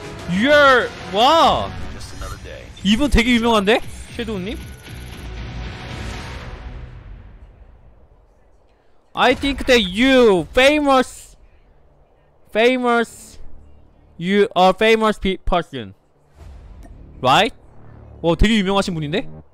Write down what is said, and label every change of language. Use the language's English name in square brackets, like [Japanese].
[Korean] 유얼 와 이분 되게 유명한데? 섀도우님? [English] I think that you famous you are famous person right? [Korean] 와 되게 유명하신 분인데?